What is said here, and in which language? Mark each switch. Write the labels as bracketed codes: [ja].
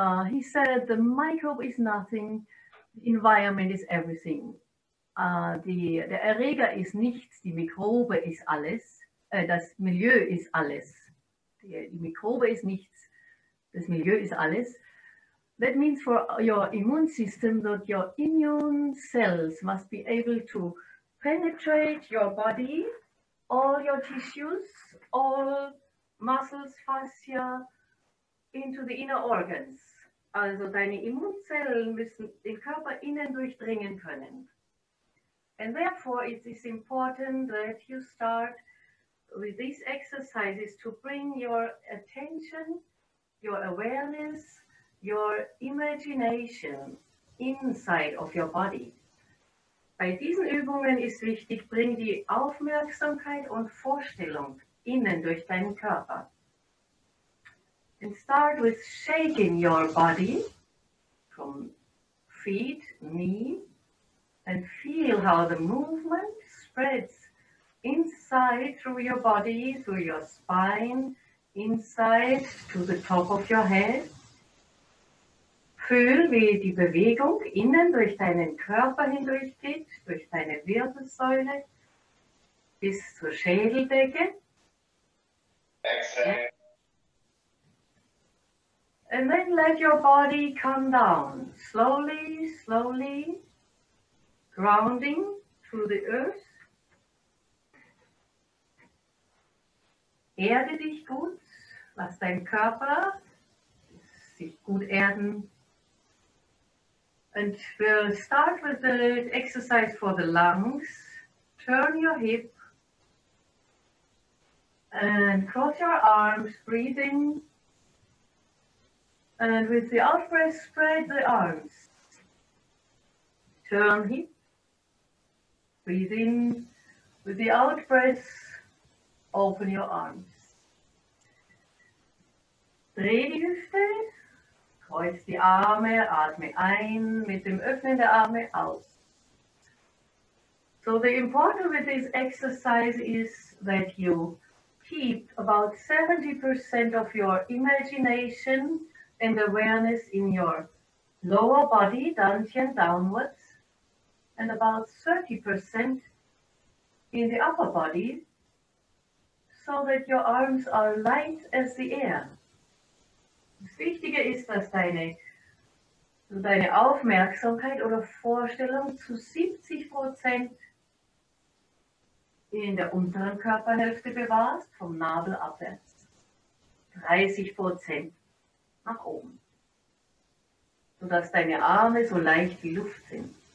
[en] He said, the microbe is nothing, the environment is everything. [de] Der Erreger ist nichts, die Mikrobe ist alles, das Milieu ist alles. Die Mikrobe ist nichts, das Milieu ist alles. [en] That means for your immune system that your immune cells must be able to penetrate your body, all your tissues, all muscles, fascia, into the inner organs. [de] Also deine Immunzellen müssen den Körper innen durchdringen können. [en] And therefore it is important that you start with these exercises to bring your attention, your awareness, your imagination inside of your body. [de] Bei diesen Übungen ist wichtig, bring die Aufmerksamkeit und Vorstellung innen durch deinen Körper. [en] And start with shaking your body from feet, knee, and feel how the movement spreads inside through your body, through your spine, inside to the top of your head. [de] Fühl, wie die Bewegung innen durch deinen Körper hindurchgeht, durch deine Wirbelsäule bis zur Schädeldecke. [en] And then let your body come down slowly, slowly, grounding to the earth. [de] Erde dich gut, lass dein Körper sich gut erden. [en] And we'll start with the exercise for the lungs. Turn your hip and cross your arms, breathing. And with the out-breath, spread the arms. Turn hip, breathing. With the out-breath, open your arms. [de] Dreh die Hüfte. Kreuz die Arme, atme ein, mit dem Öffnen der Arme aus. [en] So the important with this exercise is that you keep about 70% of your imagination and awareness in your lower body, dantian downwards, and about 30% in the upper body, so that your arms are light as the air. [de] Das Wichtige ist, dass deine Aufmerksamkeit oder Vorstellung zu 70% in der unteren Körperhälfte bewahrst, vom Nabel abwärts, 30% nach oben, sodass deine Arme so leicht wie Luft sind.